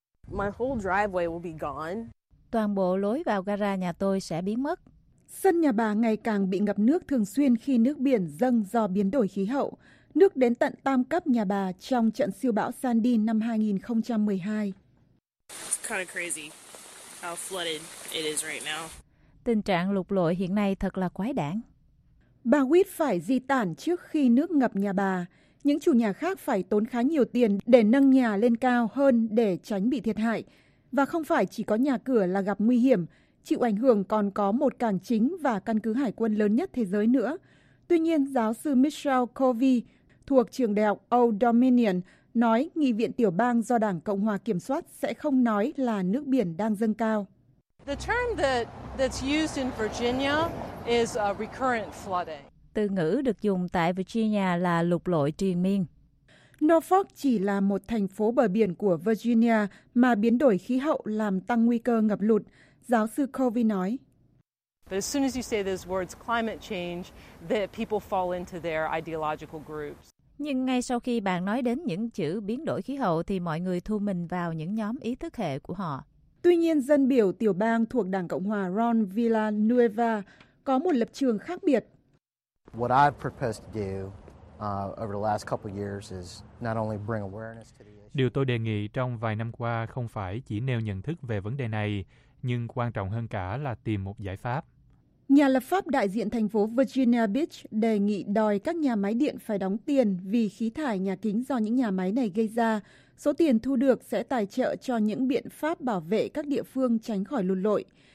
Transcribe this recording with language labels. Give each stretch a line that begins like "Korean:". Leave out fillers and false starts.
English: My whole driveway will be gone.
Vietnamese: Toàn bộ lối vào gara nhà tôi sẽ biến mất. Sân nhà bà ngày càng bị ngập nước thường xuyên khi nước biển dâng do biến đổi khí hậu. Nước đến tận tam cấp nhà bà trong trận siêu bão Sandy năm 2012.
English: It's kind of crazy how flooded it is right now.
Vietnamese: Tình trạng lụt lội hiện nay thật là quái đản. Bà Witt phải di tản trước khi nước ngập nhà bà. Những chủ nhà khác phải tốn khá nhiều tiền để nâng nhà lên cao hơn để tránh bị thiệt hại. Và không phải chỉ có nhà cửa là gặp nguy hiểm, chịu ảnh hưởng còn có một cảng chính và căn cứ hải quân lớn nhất thế giới nữa. Tuy nhiên, giáo sư Michelle Covey thuộc trường đại học Old Dominion nói nghị viện tiểu bang do Đảng Cộng hòa kiểm soát sẽ không nói là nước biển đang dâng cao.
English: The term that's used in Virginia is a recurrent flooding.
Vietnamese: Từ ngữ được dùng tại Virginia là lụt lội triền miên. Norfolk chỉ là một thành phố bờ biển của Virginia mà biến đổi khí hậu làm tăng nguy cơ ngập lụt, giáo sư Covey nói.
English: But as soon as you say those words climate change, that people fall into their ideological groups.
Vietnamese: Nhưng ngay sau khi bạn nói đến những chữ biến đổi khí hậu thì mọi người thu mình vào những nhóm ý thức hệ của họ. Tuy nhiên, dân biểu tiểu bang thuộc Đảng Cộng hòa Ron Villanueva có một lập trường khác biệt.
English: What I've proposed to do over the last couple of years is not only bring awareness to the issue.
Vietnamese: Điều tôi đề nghị trong vài năm qua không phải chỉ nêu nhận thức về vấn đề này, nhưng quan trọng hơn cả là tìm một giải pháp. Nhà lập pháp đại diện thành phố Virginia Beach đề nghị đòi các nhà máy điện phải đóng tiền vì khí thải nhà kính do những nhà máy này gây ra. Số tiền thu được sẽ tài trợ cho những biện pháp bảo vệ các địa phương tránh khỏi lụt lội.